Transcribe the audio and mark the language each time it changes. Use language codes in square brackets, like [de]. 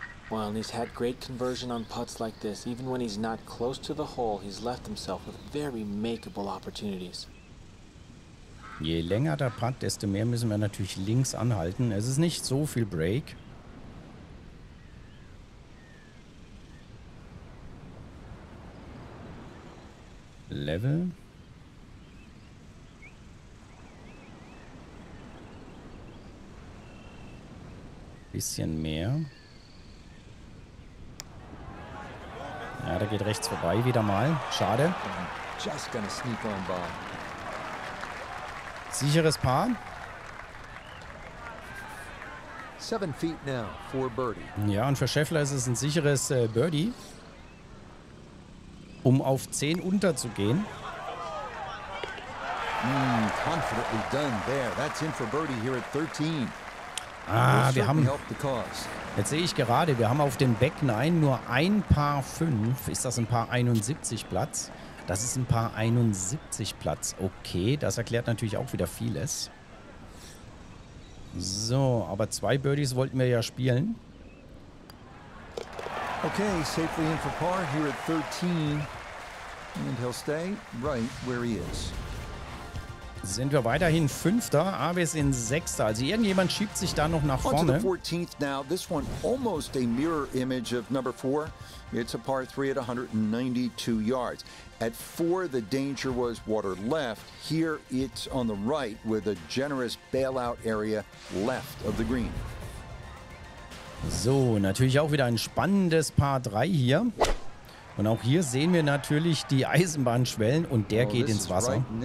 [en] Well, he's had great conversion on putts like this. Even when he's not close to the hole, he's left himself with very makeable opportunities. [de] Je länger der Putt, desto mehr müssen wir natürlich links anhalten. Es ist nicht so viel Break. [en] Level. [de] Bisschen mehr. Ja, da geht rechts vorbei wieder mal. Schade. [en] Just gonna sneak on by. [de] Sicheres Paar. [en] 7 feet now for birdie. [de] Ja, und für Scheffler ist es ein sicheres Birdie. Um auf 10 unterzugehen. [en] Confidently done there. That's in for birdie here at 13. [de] Ah, wir haben. Jetzt sehe ich gerade, wir haben auf dem Back 9 nur ein Paar 5. Ist das ein Paar 71 Platz? Das ist ein Paar 71 Platz. Okay, das erklärt natürlich auch wieder vieles. So, aber zwei Birdies wollten wir ja spielen. [en] Okay, safely in for par here at 13. And he'll stay right where he is. [de] Sind wir weiterhin Fünfter, aber wir sind Sechster. Also irgendjemand schiebt sich da noch nach vorne. [en] On to the 14th now. This one almost a mirror image of number 4. It's a par 3 at 192 yards. At 4, the danger was water left. Here, it's on the right with a generous bailout area left of the green. [de] So, natürlich auch wieder ein spannendes Paar 3 hier. Und auch hier sehen wir natürlich die Eisenbahnschwellen und der geht ins Wasser.